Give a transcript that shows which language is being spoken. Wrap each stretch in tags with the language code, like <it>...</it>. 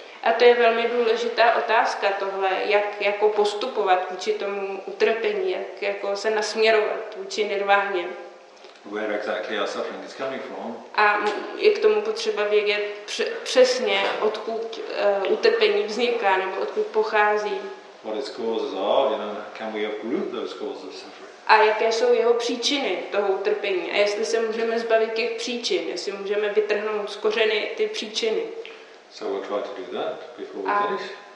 <cs>A to je velmi důležitá otázka tohle, jak jako postupovat vůči tomu utrpení, jak jako se nasměrovat vůči nirváně.</cs> <en>Where exactly our suffering is coming from?</en> <cs>A je k tomu potřeba vědět přesně, odkud utrpení vzniká nebo odkud pochází.</cs> <en>What its causes are, you know, can we uproot those causes of suffering?</en> <cs>A jaké jsou jeho příčiny toho utrpení? A jestli se můžeme zbavit těch příčin, jestli můžeme vytrhnout z kořeny ty příčiny.</cs> <en>So we'll try to do that before we finish.</en>